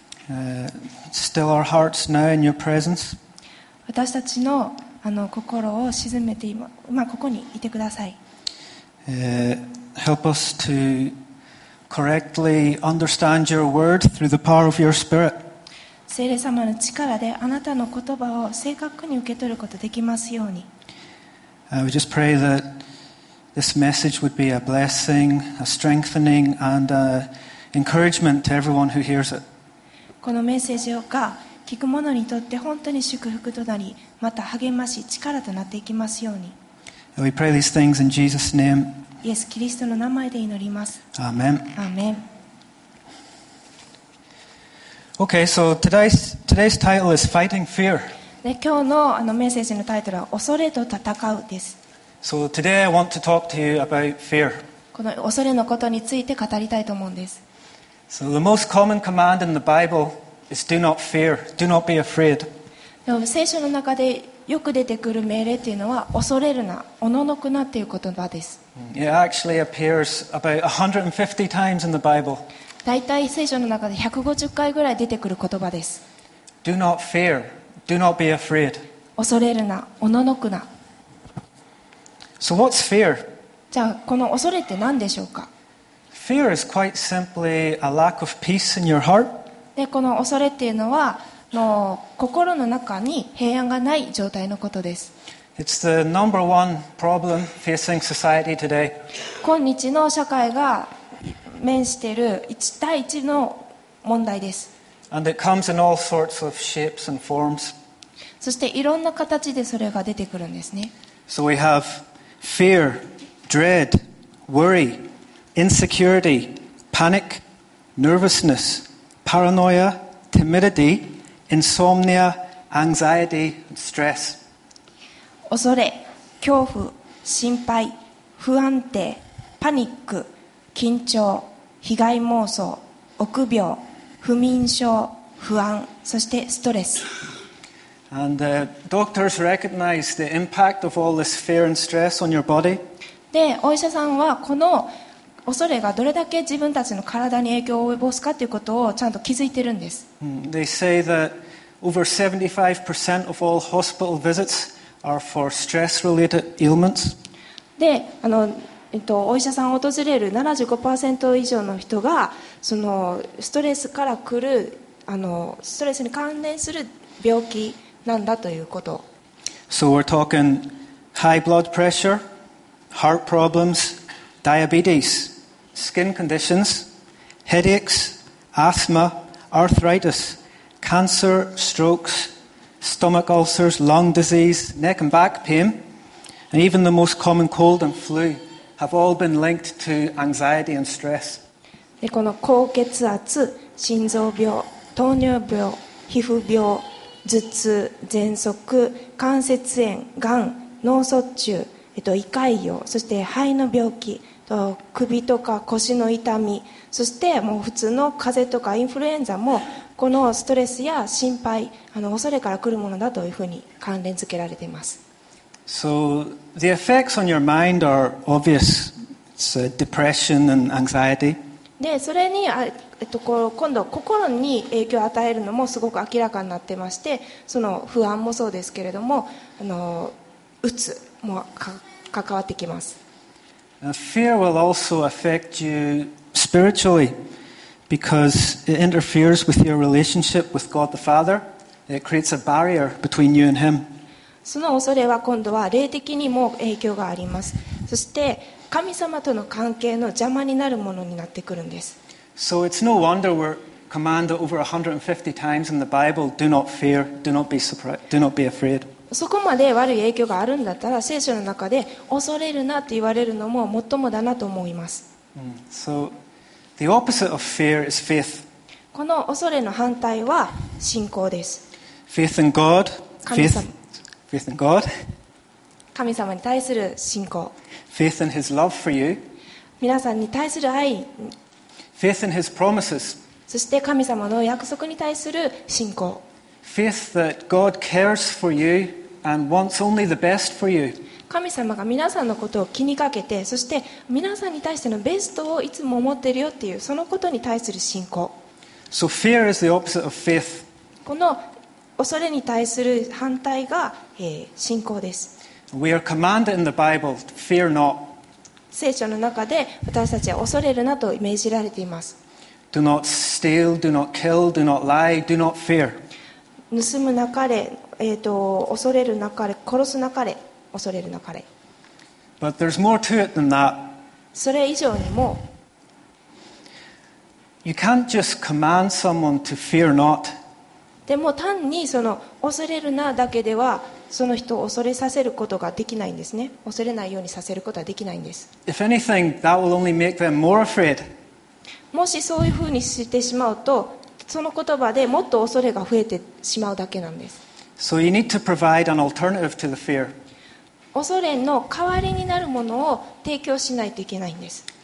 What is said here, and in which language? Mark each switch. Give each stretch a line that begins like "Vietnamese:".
English: still our hearts now in your presence.
Japanese: 私たち の, あの心を沈めて今、ここにいてください。
English: Help us to correctly understand your word through the power of your spirit.
Japanese: 聖霊様の力であなたの言葉を正確に受け取ることができますように。
English: We just pray that this message would be a blessing, a strengthening, and an encouragement to everyone who hears it.
Japanese: このメッセージが聞く者にとって本当に祝福となり、また励まし、力となっていきますように。
English: We pray these things in Jesus' name.
Japanese: イエス・キリストの名前で祈ります。アーメン。アーメン。
English: Okay, so today's title is Fighting Fear.
Japanese: で、今日の、あのメッセージのタイトルは恐れと戦うです。
English: So today I want to talk to you about fear.
Japanese: この恐れのことについて語りたいと思うんです。
English: So the most common command in the Bible is do not fear, do not be afraid.
Japanese: でも聖書の中でよく出てくる命令というのは恐れるな、おののくなという言葉です。
English: It actually appears about 150 times in the Bible.
Japanese: だいたい聖書の中で150回ぐらい出てくる言葉です。
English: Do not fear, do not be afraid.
Japanese: 恐れるな、おののくな。
English: So what's fear?
Japanese: じゃあこの恐れって何でしょうか?
English: Fear is quite simply a lack of peace in your heart.
Japanese: で、この恐れっていうのはの心の中に平安がない状態のことです。
English: It's the number one problem facing society today.
Japanese: 今日の社会が面している一対一の問題です。
English: And it comes in all sorts of shapes and forms.
Japanese: そしていろんな形でそれが出てくるんですね。
English: So we have fear, dread, worry, insecurity, panic, nervousness, paranoia, timidity, insomnia, anxiety, stress.
Japanese: 恐れ、恐怖、心配、不安定、パニック、緊張、被害妄想、臆病、不眠症、不安、そしてストレス。
English: And doctors recognize the impact of all this fear and stress on your body.
Japanese: で、お医者さんはこの恐れがどれだけ自分たちの体に影響を及ぼすかということをちゃんと気づいてるんです。
English: They say that over 75% of all hospital visits are for stress-related ailments.
Japanese: で、お医者さんを訪れる 75% 以上の人がそのストレスから来るストレスに関連する病気なんだということ。
English: So we're talking high blood pressure, heart problems, diabetes, skin conditions, headaches, asthma, arthritis, cancer, strokes, stomach ulcers, lung disease, neck and back pain, and even the most common cold and flu have all been linked to anxiety and stress.
Japanese: で、この高血圧、心臓病、糖尿病、皮膚病、頭痛、喘息、関節炎、がん、脳卒中、胃潰瘍、そして肺の病気、首とか腰の痛み、そしてもう普通の風邪とかインフルエンザもこのストレスや心配、恐れから来るものだというふうに関連付けられています。
English: So the effects on your mind are obvious. It's depression and anxiety.
Japanese: で、それに今度心に影響を与えるのもすごく明らかになってまして、その不安もそうですけれども、うつも関わってきます。
English: Fear will also affect you spiritually because it interferes with your relationship with God the Father. It creates a barrier between you and Him.
Japanese: その恐れは今度は霊的にも影響があります。そして神様との関係の邪魔になるものになってくるんです。
English: So it's no wonder we're commanded over 150 times in the Bible, do not fear, do not be surprised, do not be afraid.
Japanese: そこまで悪い影響があるんだったら、聖書の中で恐れるなって言われるのも最もだなと思います。
English: So the opposite of fear is faith.
Japanese: この恐れの反対は信仰です。
English: Faith in God.
Japanese: 神様。
English: Faith in God.
Japanese: 神様に対する信仰。
English: Faith in His love for you.
Japanese: 皆さんに対する愛、
English: Faith in his promises.
Japanese: そして神様の約束に対する信仰、
English: Faith that God cares for you and wants only the best for you.
Japanese: 神様が皆さんのことを気にかけて、そして皆さんに対してのベストをいつも思っているよっていう、そのことに対する信仰。
English: So fear is the opposite of faith.
Japanese: この恐れに対する反対が、信仰です。
English: We are commanded in the Bible, fear not.
Japanese: 聖書の中で私たちは恐れるなと命じられています。
English: Do not steal, do not kill, do not lie, do not fear.
Japanese: 盗むなかれ、恐れるなかれ、殺すなかれ、恐れるなかれ。
English: But there's more to it than that.
Japanese: それ以上にも、
English: You can't just command someone to fear not.
Japanese: でも単にその恐れるなだけではその人を恐れさせることができないんですね。恐れないようにさせることはできないんです。
English: If anything, that will only make them more afraid.
Japanese: もしそういうふうにしてしまうと、その言葉でもっと恐れが増えてしまうだけなんです。
English: So you need to provide an alternative to the fear.
Japanese: 恐れの代わりになるものを提供しないといけないんです。